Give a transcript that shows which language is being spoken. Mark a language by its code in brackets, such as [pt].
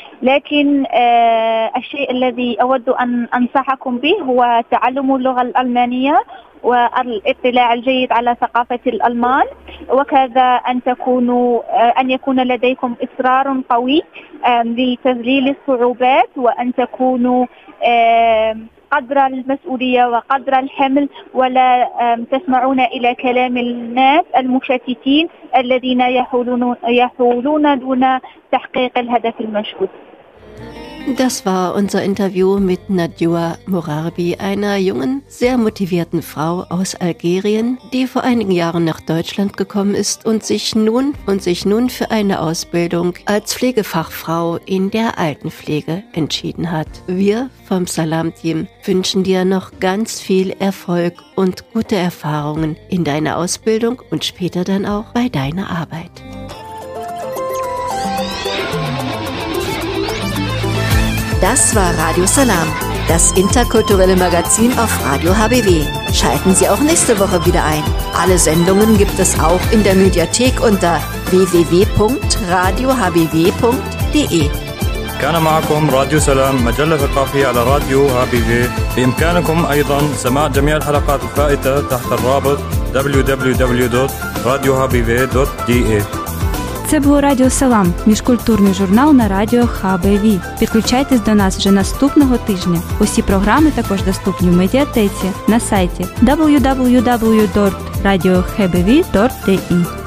[ar] لكن الشيء الذي أود أن أنصحكم به هو تعلم اللغة الألمانية والاطلاع الجيد على ثقافة الألمان، وكذا أن يكون لديكم إصرار قوي لتذليل الصعوبات وأن تكونوا قدر المسؤولية وقدر الحمل ولا تسمعون إلى كلام الناس المشتتين الذين يحولون دون تحقيق الهدف المشهود. [de] Das war unser Interview mit Nadjoua Mouraribi, einer jungen, sehr motivierten Frau aus Algerien, die vor einigen Jahren nach Deutschland gekommen ist und sich nun für eine Ausbildung als Pflegefachfrau in der Altenpflege entschieden hat. Wir vom Salam-Team wünschen dir noch ganz viel Erfolg und gute Erfahrungen in deiner Ausbildung und später dann auch bei deiner Arbeit. Das war Radio Salam, das interkulturelle Magazin auf Radio HBW. Schalten Sie auch nächste Woche wieder ein. Alle Sendungen gibt es auch in der Mediathek unter www.radiohbw.de. [ar] كان معكم راديو سلام مجلة ثقافية على راديو HBW. بإمكانكم أيضا سماع جميع الحلقات الفائتة تحت الرابط www.radiohbw.de. [uk] Це був Радіо Салам, міжкультурний журнал на радіо HBW. Підключайтесь до нас вже наступного тижня. Усі програми також доступні в медіатеці на сайті www.radiohbw.de.